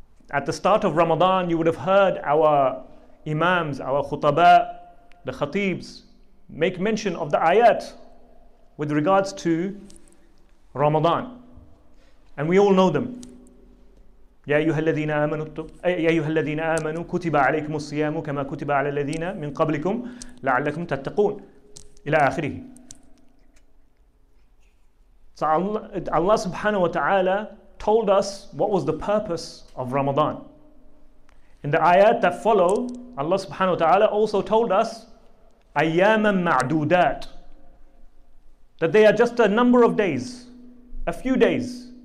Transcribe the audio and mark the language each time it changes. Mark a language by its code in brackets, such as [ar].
[en] At the start of Ramadan, you would have heard our imams, our khutaba, the khatibs, make mention of the ayat with regards to Ramadan. And we all know them. [ar] يا أيها الذين آمنوا يا أيها الذين آمنوا كتب عليكم الصيام كما كتب على الذين من قبلكم لعلكم تتقون إلى آخره. [en] Allah subhanahu wa ta'ala told us what was the purpose of Ramadan. In the ayat that follow, Allah subhanahu wa ta'ala also told us [ar] أياماً معدودات, [en] that they are just a number of days, a few days.